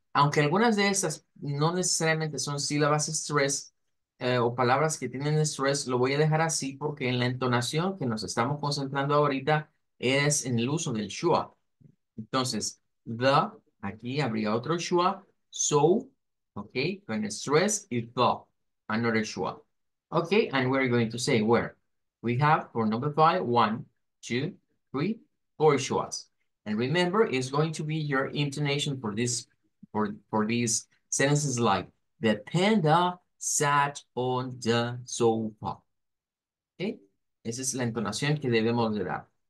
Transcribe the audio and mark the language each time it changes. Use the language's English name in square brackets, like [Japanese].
[Spanish] Aunque algunas de esas no necesariamente son sílabas stress o palabras que tienen stress, lo voy a dejar así porque en la entonación que nos estamos concentrando ahorita es en el uso del schwa. Entonces, the, aquí habría otro schwa, so, ok, con stress y the, [English] another schwa. Ok, and we're going to say where. We have for number five, one, two, three, four schwas. And remember, it's going to be your intonation for this. For these sentences like the panda sat on the sofa. ¿Okay? [Spanish] Esa es la entonación que debemos de dar.